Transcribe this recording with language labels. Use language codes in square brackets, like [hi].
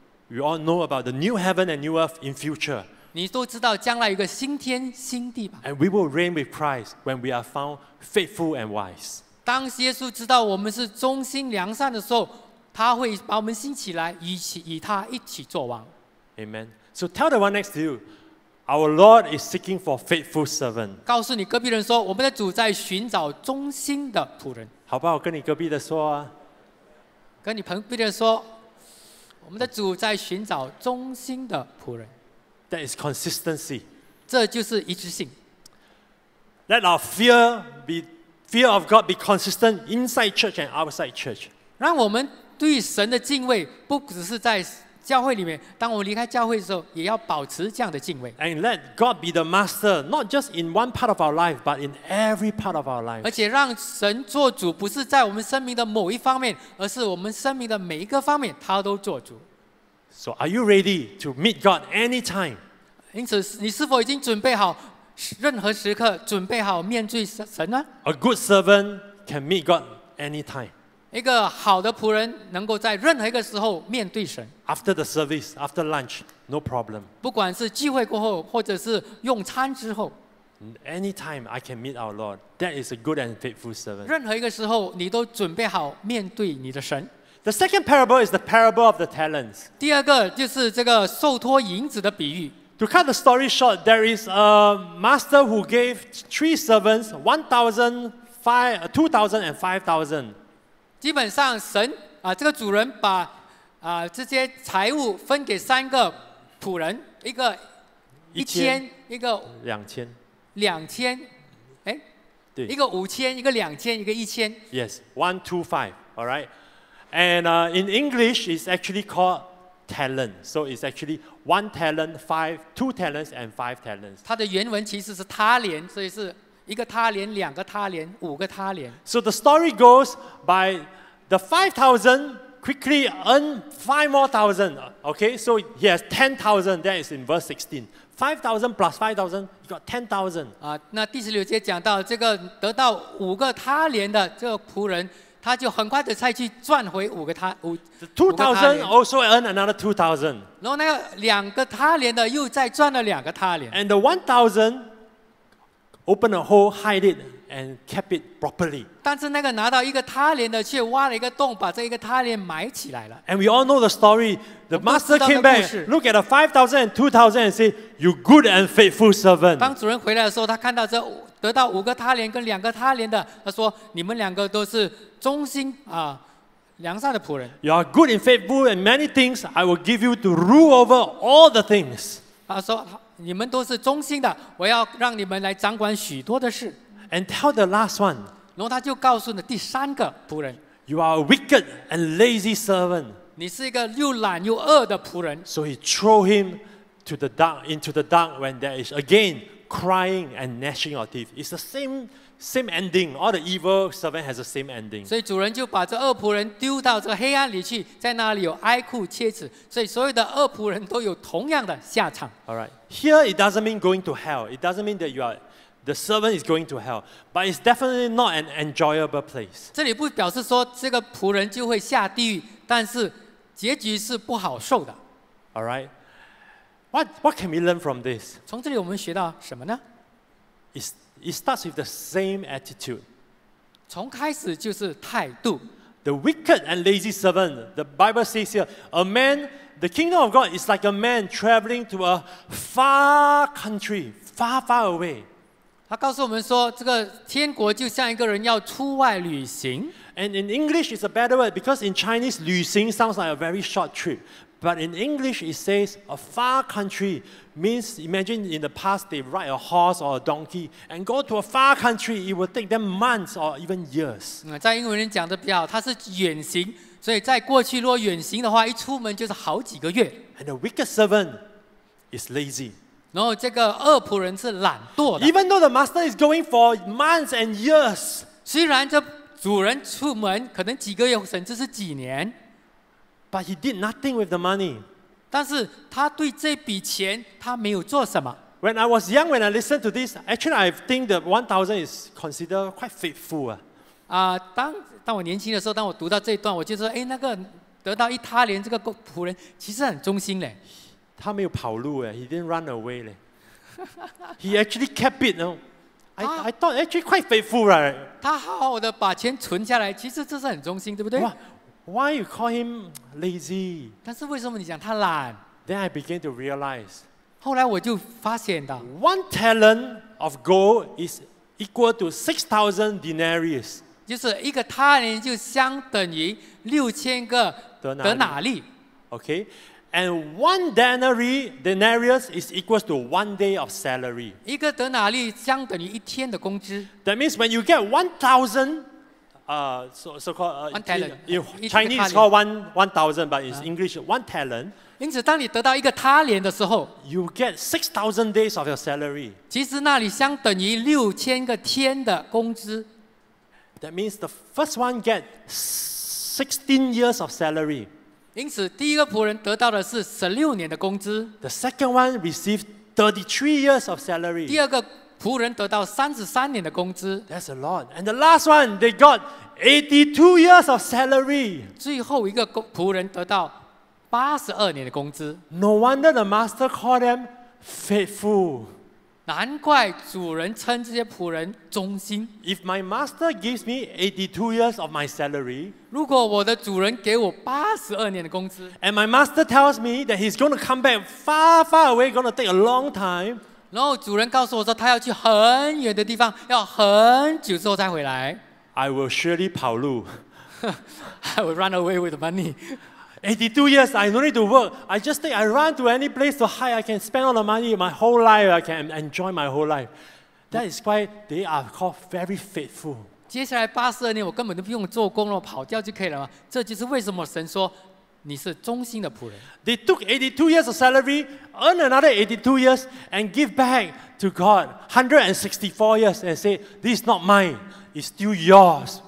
[en] You all know about the new heaven and new earth in future. [zh] 你都知道将来有个新天新地吧。 [en] And we will reign with Christ when we are found faithful and wise. [zh] 当耶稣知道我们是忠心良善的时候，他会把我们兴起来与他一起作王。 [en] Amen. So tell the one next to you. Our Lord is seeking for faithful servant. [zh] 告诉你隔壁人说，我们的主在寻找忠心的仆人。好不好？跟你隔壁的说啊。跟你旁边的说，我们的主在寻找忠心的仆人。 [en] That is consistency. [zh] 这就是一致性。 [en] Let our fear be fear of God be consistent inside church and outside church. [zh] 让我们对神的敬畏不只是在。教会里面，当我们离开教会的时候，也要保持这样的敬畏。 [en] And let God be the master, not just in one part of our life, but in every part of our life. [zh] 而且让神做主，不是在我们生命的某一方面，而是我们生命的每一个方面，他都做主。 [en] So are you ready to meet God anytime? [zh] 因此，你是否已经准备好任何时刻准备好面对神呢？ [en] A good servant can meet God anytime. [zh] 一个好的仆人能够在任何一个时候面对神。 [en] After the service, after lunch, no problem. [zh] 不管是聚会过后，或者是用餐之后。 [en] Anytime I can meet our Lord, that is a good and faithful servant. [zh] 任何一个时候，你都准备好面对你的神。 [en] The second parable is the parable of the talents. [zh] 第二个就是这个受托银子的比喻。 [en] To cut the story short, there is a master who gave three servants 1,000, 5,000, 2,000, and 5,000. [zh] 基本上神、这个主人把、这些财物分给三个仆人，一个 1,000，一个 2,000， 2,000，对，一个5,000，一个2,000，一个1,000。 [en] Yes, 1,000, 2,000, all right. And、in English, it's actually called talent. So it's actually one talent, five, two talents, and five talents. [zh] 它的原文其实是他连，所以是。一个他连，两个他连，五个他连。 [en] So the story goes by the 5,000 quickly earn 5,000 more. Okay, so he has 10,000. That is in verse 16. 5,000 plus 5,000, you got 10,000. [zh] 啊，那第十六节讲到这个得到五个他连的这个仆人，他就很快的再去赚回五个他五。 [en] 2,000 also earn another 2,000. [zh] 然后那个两个他连的又再赚了两个他连。 [en] And the 1,000. Open a hole, hide it, and kept it properly. [zh] 但是那个拿到一个他连的，却挖了一个洞，把这一个他连埋起来了。 [en] And we all know the story. The master came back, look at the 5,000 and 2,000, and say, "You good and faithful servant." [zh] 当主人回来的时候，他看到这得到五个他连跟两个他连的，他说：“你们两个都是忠心啊，良善的仆人。 [en] You are good and faithful in many things. I will give you to rule over all the things." [zh] 他说。你们都是忠心的，我要让你们来掌管许多的事。 [en] And tell the last one. [zh] 然后他就告诉了第三个仆人。 [en] You are a wicked and lazy servant. [zh] 你是一个又懒又恶的仆人。 [en] So he threw him to the dark, into the dark, when there is again crying and gnashing of teeth. It's the same ending. All the evil servant has the same ending. [zh] 所以主人就把这恶仆人丢到这黑暗里去，在那里有哀哭切齿。所以所有的恶仆人都有同样的下场。 [en] All right. Here it doesn't mean going to hell. It doesn't mean that you are the servant is going to hell, but it's definitely not an enjoyable place. [zh] 这里不表示说这个仆人就会下地狱，但是结局是不好受的。 [en] All right. What can we learn from this? [zh] 从这里我们学到什么呢？ [en] It starts with the same attitude. [zh] 从开始就是态度。 [en] The wicked and lazy servant. The Bible says here, a man. The kingdom of God is like a man traveling to a far country, far, far away. [zh] 他告诉我们说，这个天国就像一个人要出外旅行。 [en] And in English, it's a better word because in Chinese, 旅行 sounds like a very short trip. But in English, it says a far country means imagine in the past they ride a horse or a donkey and go to a far country. It will take them months or even years. [zh] 在英文里讲的比较好，它是远行。所以在过去，如果远行的话，一出门就是好几个月。 [en] And the wicked servant is lazy. [zh] 然后这个恶仆人是懒惰的。 [en] Even though the master is going for months and years, [zh] 虽然这主人出门可能几个月，甚至是几年 [en] ，but he did nothing with the money. [zh] 但是他对这笔钱他没有做什么。 [en] When I was young, when I listened to this, actually I think the 1,000 is considered quite faithful. [zh] 当我年轻的时候，当我读到这一段，我就说，哎，那个得到一他连这个仆人其实很忠心嘞。他没有跑路哎 [en] ，he didn't run away 嘞。He actually kept it, no? I thought actually quite faithful, right? [zh] 他好好的把钱存下来，其实这是很忠心，对不对 [en] ？Why you call him lazy? [zh] 但是为什么你讲他懒 [en] ？Then I began to realize. [zh] 后来我就发现到 [en] ，one talent of gold is equal to 6,000 denarii. [zh] 就是一个他连就相等于6000个德纳利 ，OK。 [en] And one denarius is equal to one day of salary. [zh] 一个德纳利相等于一天的工资。 [en] That means when you get 1,000, so-called one talent, in Chinese it's called 1,000, but it's English one talent. [zh] 因此，当你得到一个他连的时候 [en] ，you get 6,000 days of your salary. [zh] 其实那里相等于6000个天的工资。 [en] That means the first one get 16 years of salary. [zh] 因此，第一个仆人得到的是16年的工资。 [en] The second one received 33 years of salary. [zh] 第二个仆人得到33年的工资。 [en] That's a lot. And the last one, they got 82 years of salary. [zh] 最后一个仆人得到82年的工资。 [en] No wonder the master called them faithful. [zh] 难怪主人称这些仆人忠心。 [en] If my master gives me 82 years of my salary, [zh] 如果我的主人给我82年的工资 [en] ，and my master tells me that he's going to come back far, far away, going to take a long time. [zh] 然后主人告诉我说，他要去很远的地方，要很久之后再回来。 [en] I will surely [zh] 跑路。 [en] I will run away with the money. 82 years, I don't need to work. I just think I run to any place to hide. I can spend all the money my whole life. I can enjoy my whole life. That is why they are called very faithful. [zh] 接下来82年我根本都不用做工了，跑掉就可以了嘛。这就是为什么神说你是忠心的仆人。 [en] They took 82 years of salary, earn another 82 years, and give back to God 164 years and say, this is not mine, it's still yours.